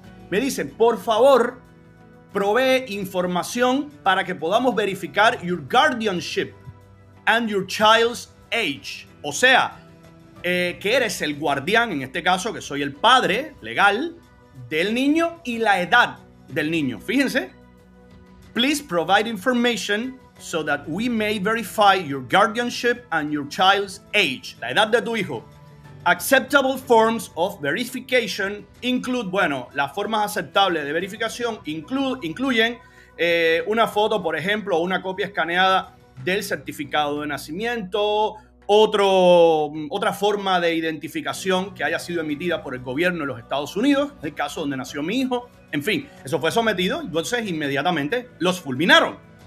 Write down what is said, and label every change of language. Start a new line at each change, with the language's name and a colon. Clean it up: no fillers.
Spanish: me dice, por favor, provee información para que podamos verificar your guardianship and your child's age. O sea, que eres el guardián, en este caso, que soy el padre legal del niño y la edad del niño. Fíjense.
English: Please provide information so that we may verify your guardianship and your child's age.
Spanish: La edad de tu hijo. Acceptable forms of verification include, bueno, las formas aceptables de verificación incluyen una foto, por ejemplo, o una copia escaneada del certificado de nacimiento, otra forma de identificación que haya sido emitida por el gobierno de los Estados Unidos, el caso donde nació mi hijo, en fin, eso fue sometido, entonces inmediatamente los fulminaron.